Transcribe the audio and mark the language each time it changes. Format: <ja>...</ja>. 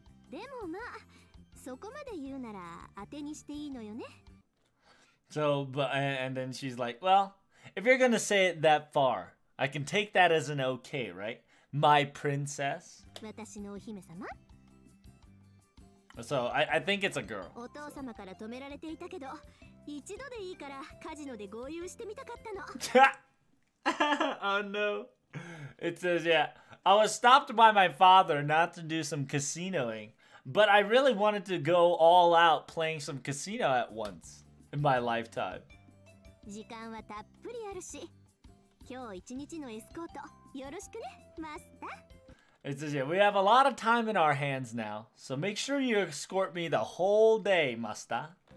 <ja>でもまあ、そこまで言うなら当てにしていいのよね。</ja> <en>So, but, and then she's like, well, if you're gonna say it that far, I can take that as an okay, right? My princess?</en> <ja>私のお姫様?</ja> <en>So, I think it's a girl.</en> <ja>お父様から止められていたけど、一度でいいからカジノで合流してみたかったの。</ja> <en>Oh no. It says, yeah. I was stopped by my father not to do some casinoing, but I really wanted to go all out playing some casino at once in my lifetime.</en> <ja>時間はたっぷりあるし、今日一日のエスコートよろしくね、マスター。</ja> <en>It says, yeah, we have a lot of time in our hands now, so make sure you escort me the whole day, Masta.</en>